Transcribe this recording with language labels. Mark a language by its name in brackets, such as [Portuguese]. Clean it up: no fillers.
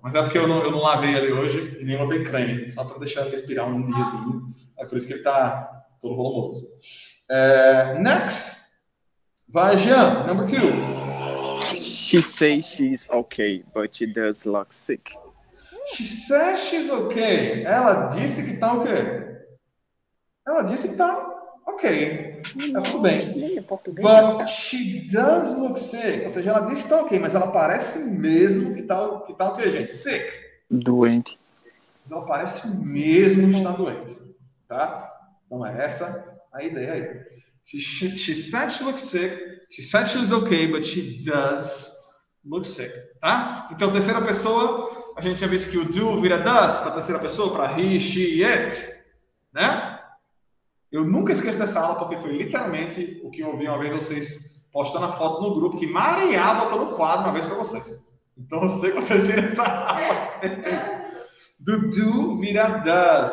[Portuguese] Mas é porque eu não lavei ele hoje e nem botei creme. Só pra deixar ele respirar um diazinho. É por isso que ele tá todo volumoso. [English] Next. [Portuguese] Vai, [English] Jean. Number two. She says she's okay, but she does look sick. She says she's okay. [Portuguese] Ela disse que tá o quê? Ela disse que tá ok. Tá tudo bem. [English] But she does look sick. [Portuguese] Ou seja, ela disse que tá ok, mas ela parece mesmo que tá o quê, gente? [English] Sick. [Portuguese] Doente. Mas ela parece mesmo que tá doente. Tá? Então é essa a ideia aí. [English] She says she looks sick. She says she's okay, but she does look sick. [Portuguese] Tá? Então, terceira pessoa. A gente já viu que o do vira does para a terceira pessoa, para he, she, it. Né? Eu nunca esqueço dessa aula, porque foi literalmente o que eu ouvi uma vez vocês postando a foto no grupo, que Maria botou no quadro uma vez para vocês. Então, eu sei que vocês viram essa aula. Do do vira does.